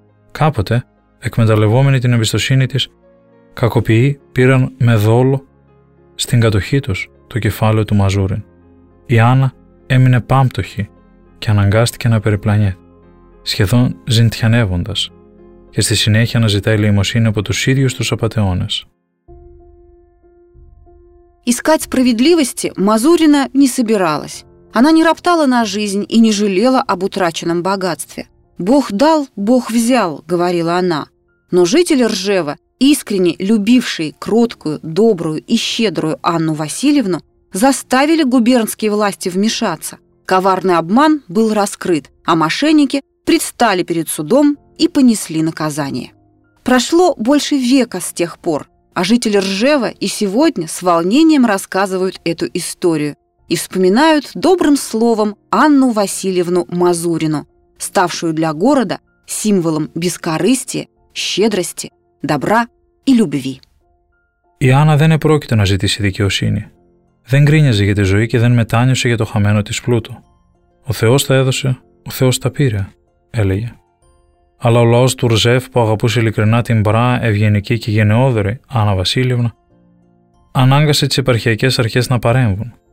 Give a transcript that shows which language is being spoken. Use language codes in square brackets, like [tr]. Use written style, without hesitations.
[el] Κάποτε, εκμεταλλευόμενοι την εμπιστοσύνη της, κακοποιοί πήραν με δόλο στην κατοχή τους το κεφάλαιο του Μαζούριν. Η Άννα έμεινε πάμπτωχη και αναγκάστηκε να περιπλανιέται. σχεδόν ζητιανεύοντας, και στη συνέχεια να ζητάει ελεημοσύνη από τους ίδιους τους απατεώνες. [ru] Искать справедливости Мазурина не собиралась. Она не роптала на жизнь и не жалела об утраченном богатстве. «Бог дал, Бог взял», — говорила она. Но житель Ржева, искренне любивший кроткую, добрую и щедрую Анну Васильевну, заставили губернские власти вмешаться. Коварный обман был раскрыт, а мошенники предстали перед судом и понесли наказание. Прошло больше века с тех пор, а жители Ржева и сегодня с волнением рассказывают эту историю и вспоминают добрым словом Анну Васильевну Мазурину, ставшую для города символом бескорыстия, щедрости, добра и любви. И Анна [el] δεν επρόκειτο να ζητήσει δικαιοσύνη. Δεν γκρίνιαζε για τη ζωή και δεν μετάνιωσε για το χαμένο της πλούτο. Ο Θεός τα έδωσε, ο Θεός τα πήρε, έλεγε. Αλλά ο λαός του Ρζεύ που αγαπούσε ειλικρινά την μπρά, ευγενική και γενναιόδωρη Άννα Βασίλειωνα, ανάγκασε τις επαρχιακές αρχές να παρέμβουν.